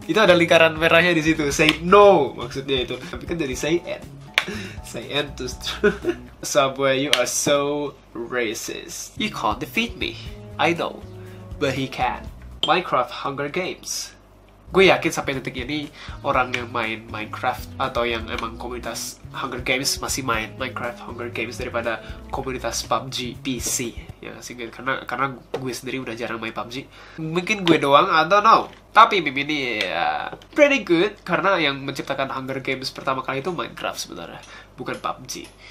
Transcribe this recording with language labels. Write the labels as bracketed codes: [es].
[id] Itu ada lingkaran merahnya di situ, say no, maksudnya itu. Tapi kan jadi [en] say end to straws. Subway, you are so racist. You can't defeat me, I know. But he can. [id] Minecraft Hunger Games. Gue yakin sampai detik ini orang yang main Minecraft atau yang emang komunitas Hunger Games masih main Minecraft Hunger Games daripada komunitas PUBG PC. Ya, sih, karena gue sendiri udah jarang main PUBG. Mungkin gue doang, [en] I don't know. [id] Tapi meme ini ya [en] pretty good, [id] karena yang menciptakan Hunger Games pertama kali itu Minecraft sebenarnya, bukan PUBG.